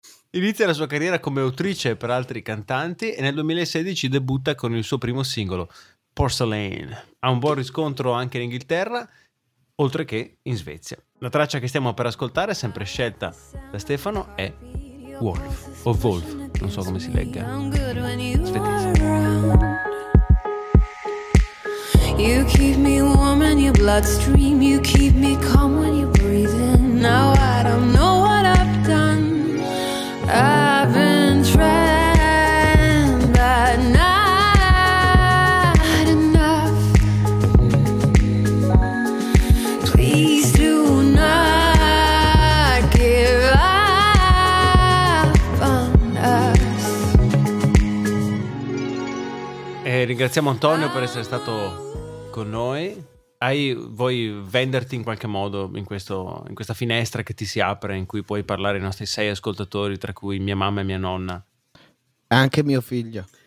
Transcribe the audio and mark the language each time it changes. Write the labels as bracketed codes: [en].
[it] Inizia la sua carriera come autrice per altri cantanti e nel 2016 debutta con il suo primo singolo, Porcelain. Ha un buon riscontro anche in Inghilterra, oltre che in Svezia. La traccia che stiamo per ascoltare, sempre scelta da Stefano, è Wolf, o Wolf, non so come si legga. Svedese. [en] You keep me warm in your bloodstream. You keep me calm when you're breathing. Now I don't know what I've done. I've been trying but not enough. Please do not give up on us. [it] Ringraziamo Antonio per essere stato con noi. Vuoi venderti in qualche modo in questa finestra che ti si apre, in cui puoi parlare ai nostri 6 ascoltatori, tra cui mia mamma e mia nonna? Anche mio figlio.